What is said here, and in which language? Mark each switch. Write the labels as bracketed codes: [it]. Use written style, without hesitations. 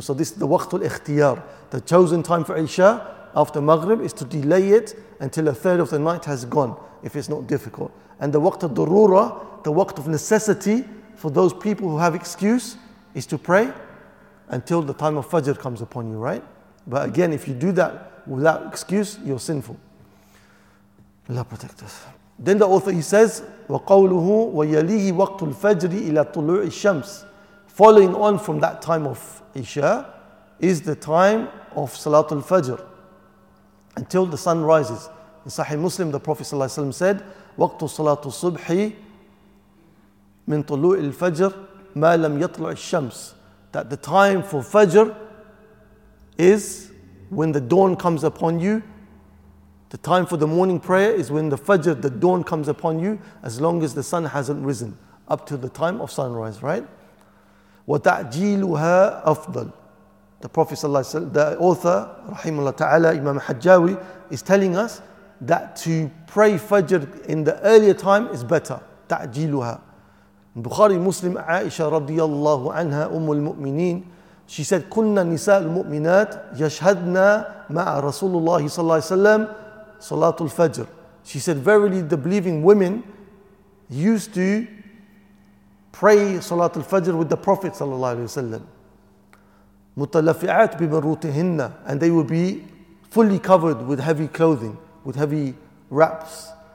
[en] So this is the waqtul ikhtiyar, the chosen time for Isha after Maghrib is to delay it until a third of the night has gone, if it's not difficult. And the waqt al-durura, the waqt of necessity for those people who have excuse, is to pray until the time of Fajr comes upon you, right? But again, if you do that without excuse, you're sinful. Allah protect us. Then the author, he says, [ar] وَقَوْلُهُ وَيَلِيهِ وَقْتُ الْفَجْرِ إِلَى طُلُوعِ الشَّمْسِ. [en] Following on from that time of Isha is the time of Salatul Fajr until the sun rises. In Sahih Muslim, the Prophet ﷺ said, [ar] وَقْتُ صَلَاتُ الصُّبْحِ مِنْ طُلُوءِ الْفَجْرِ مَا لَمْ يَطْلُعِ الشَّمْسِ. [en] That the time for Fajr is when the dawn comes upon you. The time for the morning prayer is when the Fajr, the dawn comes upon you, as long as the sun hasn't risen, up to the time of sunrise, right? [ar] وَتَعْجِيلُهَا أَفْضَلُ. [en] The Prophet ﷺ, the author, rahimahullah ta'ala, Imam Hajjawi, is telling us that to pray Fajr in the earlier time is better. [ar] تَعْجِيلُهَا. [en] In Bukhari Muslim, Aisha radiyallahu anha, Ummul Mu'mineen, she said, [ar] كُنَّ نِسَاءُ الْمُؤْمِنَاتِ يَشْهَدْنَا مَعَ رَسُولُ اللَّهِ صَلَّى اللَّهِ سَلَّمَ صَلَاتُ الْفَجْرِ. [en] She said, verily the believing women used to pray Salat al-Fajr with the Prophet sallallahu alaihi wasallam. [ar] Mutalafi'at bimarutihinna, [en] and they would be fully covered with heavy clothing, with heavy wraps.